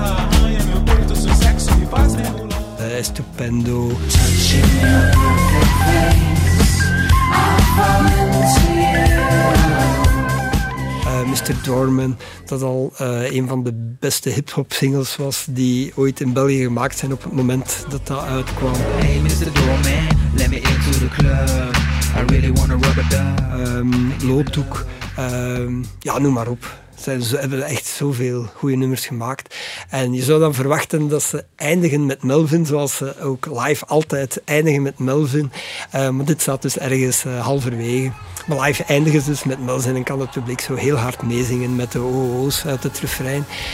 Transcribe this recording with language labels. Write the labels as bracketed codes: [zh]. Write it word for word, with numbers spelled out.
[it] Uh, stupendo. [nl] Uh, mister Dorman, dat al uh, een van de beste hip-hop singles was die ooit in België gemaakt zijn op het moment dat dat uitkwam. [en] Hey mister Dorman, let me into the club. I really wanna rub it down. [nl] Um, Looddoek, um, ja, noem maar op. Ze hebben echt zoveel goede nummers gemaakt. En je zou dan verwachten dat ze eindigen met Melvin, zoals ze ook live altijd eindigen met Melvin. Uh, maar dit staat dus ergens uh, halverwege. Maar live eindigen ze dus met Melvin en kan het publiek zo heel hard meezingen met de O O's uit het refrein.